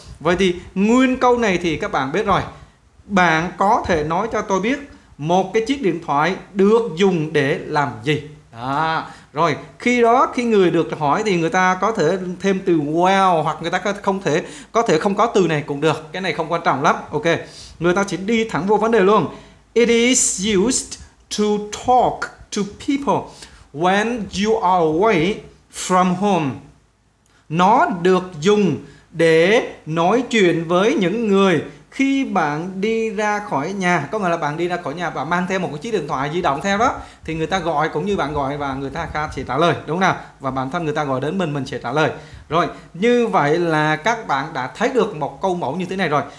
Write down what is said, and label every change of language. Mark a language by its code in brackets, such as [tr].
[vi] Vậy thì nguyên câu này thì các bạn biết rồi. Bạn có thể nói cho tôi biết một cái chiếc điện thoại được dùng để làm gì? Đó. Rồi, khi người được hỏi thì người ta có thể thêm từ well hoặc người ta có thể không có từ này cũng được. Cái này không quan trọng lắm. Ok. Người ta chỉ đi thẳng vô vấn đề luôn. [en] It is used to talk to people when you are away from home. [vi] Nó được dùng để nói chuyện với những người khi bạn đi ra khỏi nhà. Có nghĩa là bạn đi ra khỏi nhà và mang theo một cái chiếc điện thoại di động theo đó, thì người ta gọi cũng như bạn gọi và người ta sẽ trả lời, đúng không nào? Và bản thân người ta gọi đến mình sẽ trả lời. Rồi, như vậy là các bạn đã thấy được một câu mẫu như thế này rồi.